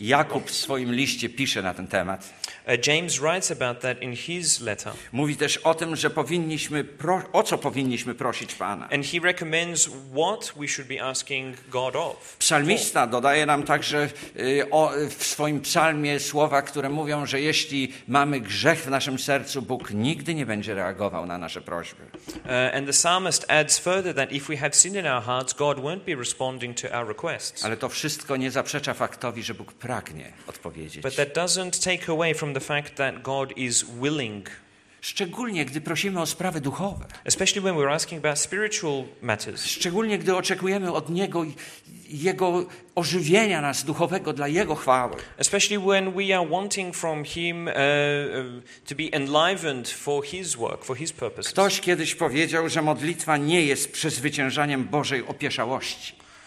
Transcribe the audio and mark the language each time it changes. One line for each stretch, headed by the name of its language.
Polish: Jakub w swoim liście pisze na ten temat.
English: James writes about that in his letter.
Polish: Mówi też o tym, że powinniśmy prosić Pana.
English: And he recommends what we should be asking God of.
Polish: Psalmista dodaje nam także w swoim psalmie słowa, które mówią, że jeśli mamy grzech w naszym sercu, Bóg nigdy nie będzie reagował na nasze prośby.
English: And the psalmist adds further that if we have sin in our hearts, God won't be responding to our requests.
Polish: Ale to wszystko nie zaprzecza faktowi, że Bóg pragnie odpowiedzieć.
English: But that doesn't take away from the fact that God is willing.
Polish: Szczególnie gdy prosimy o sprawy duchowe.
English: Especially when we're asking about spiritual matters.
Polish: Szczególnie gdy oczekujemy od Niego jego ożywienia nas duchowego dla jego chwały.
English: Especially when we are wanting from him to be enlivened for his work, for his purposes.
Polish: Ktoś kiedyś powiedział, że modlitwa nie jest przezwyciężaniem Bożej opieszałości.